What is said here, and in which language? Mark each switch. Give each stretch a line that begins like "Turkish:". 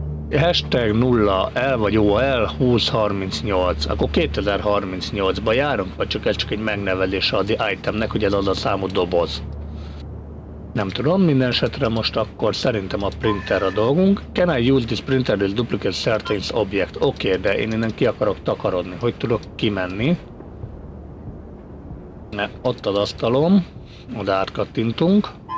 Hungarian: Hashtag 0L vagy OL 2038, akkor 2038-ba járunk, vagy csak ez csak egy megnevelés az itemnek, hogy ez az a számú doboz. Nem tudom, minden esetre most akkor szerintem a printer a dolgunk.
English: Can I use this printer to duplicate certain object?
Hungarian: Oké, de én innen ki akarok takarodni. Hogy tudok kimenni? Ne, ott az asztalom, oda átkattintunk.